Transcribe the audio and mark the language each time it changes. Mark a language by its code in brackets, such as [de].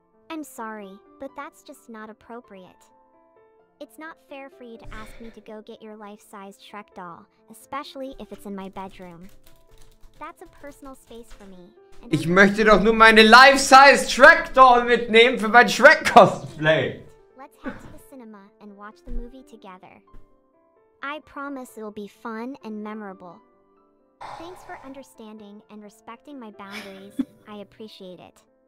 [en] I'm sorry, but that's just not appropriate. It's not fair for you to ask me to go get your life-sized Shrek doll, especially if it's in my bedroom. That's a personal space for me. [de] Ich möchte doch nur meine [en] life-sized Shrek doll [de] mitnehmen für mein Shrek Cosplay. [en] Let's head to the cinema and watch the movie together. I promise it'll be fun and memorable. Thanks for understanding and respecting my boundaries. I appreciate it.